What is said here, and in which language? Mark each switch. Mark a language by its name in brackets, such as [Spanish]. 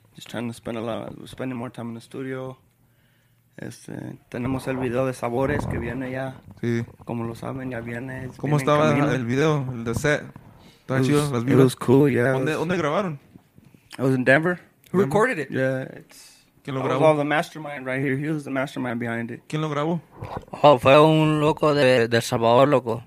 [English] Just trying to spending more time in the studio. [Spanish] Tenemos el video de Sabores que viene ya. Sí. Como lo saben, ya viene. ¿Cómo estaba el video, el de set? ¿Estaba chido? Las [English] it was cool, yeah. [Spanish] ¿Dónde grabaron? [English] It was in Denver. Who recorded it? Yeah, it's... [Spanish] ¿Quién lo grabó? [English] I was the mastermind right here. He was the mastermind behind it. [Spanish] ¿Quién lo grabó? Oh, fue un loco de El Salvador, loco.